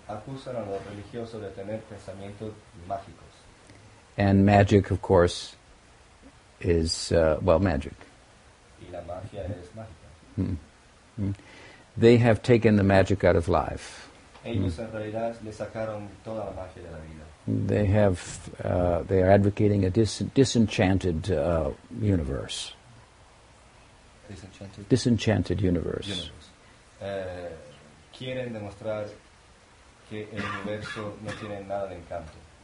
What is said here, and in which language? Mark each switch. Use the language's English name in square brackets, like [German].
[Spanish] Acusan a los religiosos de tener pensamientos mágicos. [English] And magic, of course, is, magic. [Spanish] Y la magia es mágica. [English] They have taken the magic out of life. [Spanish] Ellos en realidad le sacaron toda la magia de la vida. [English] They have, they are advocating a disenchanted universe. Disenchanted universe. [Spanish] Quieren demostrar que el universo no tiene nada de encanto.